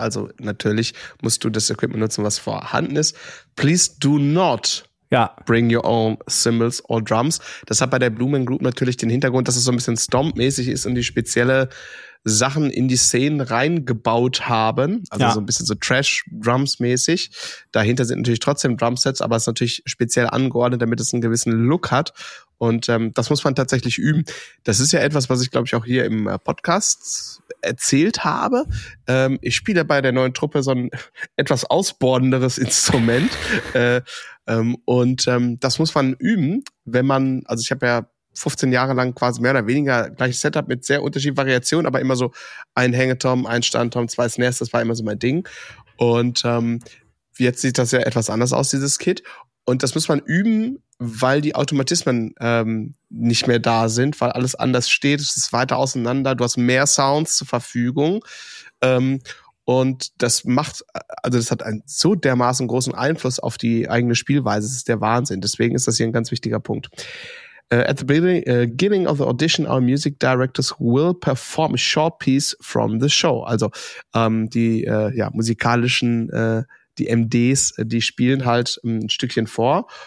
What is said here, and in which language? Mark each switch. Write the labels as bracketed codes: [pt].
[de] Also natürlich musst du das Equipment nutzen, was vorhanden ist. [en] Please do not bring your own cymbals or drums. [de] Das hat bei der Blooming Group natürlich den Hintergrund, dass es so ein bisschen stomp-mäßig ist und die spezielle Sachen in die Szenen reingebaut haben. Also so ein bisschen so Trash-Drums-mäßig. Dahinter sind natürlich trotzdem Drumsets, aber es ist natürlich speziell angeordnet, damit es einen gewissen Look hat. Und das muss man tatsächlich üben. Das ist ja etwas, was ich, glaube ich, auch hier im Podcast erzählt habe. Ich spiele bei der neuen Truppe so ein etwas ausbordenderes Instrument. Das muss man üben, wenn man, also ich habe ja 15 Jahre lang quasi mehr oder weniger gleiches Setup mit sehr unterschiedlichen Variationen, aber immer so ein Hängetom, ein Standtom, zwei Snares, das war immer so mein Ding. Und jetzt sieht das ja etwas anders aus, dieses Kit. Und das muss man üben, weil die Automatismen nicht mehr da sind, weil alles anders steht, es ist weiter auseinander, du hast mehr Sounds zur Verfügung. Und das macht, also das hat einen so dermaßen großen Einfluss auf die eigene Spielweise, das ist der Wahnsinn. Deswegen ist das hier ein ganz wichtiger Punkt. [en] At the beginning of the audition, our music directors will perform a short piece from the show. [de] Also musikalischen, die MDs, die spielen halt ein Stückchen vor.